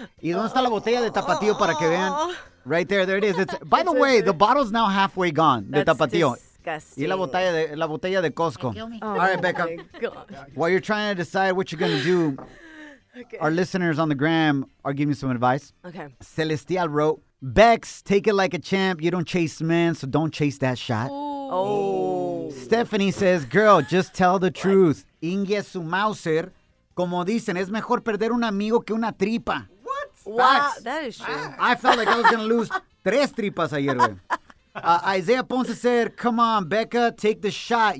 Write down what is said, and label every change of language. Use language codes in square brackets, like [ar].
[es] ¿Y dónde está la botella de Tapatío para que vean? [en] Right there. There it is. By the way, the bottle's now halfway gone. That's [es] de Tapatío. [en] Disgusting. [es] Y la botella de Costco. [en] Oh, all right, Becca. While you're trying to decide what you're going to do, okay. Our listeners on the gram are giving you some advice. Okay. Celestial wrote, Bex, take it like a champ. You don't chase men, so don't chase that shot. Stephanie says, girl, just tell the truth. [es] Inge su Mauser, como dicen, es mejor perder un amigo que una tripa. [en] What? Facts. Wow, that is true. I felt like I was going to lose [es] tres tripas ayer. [en] Isaiah Ponce said, come on, Becca, take the shot.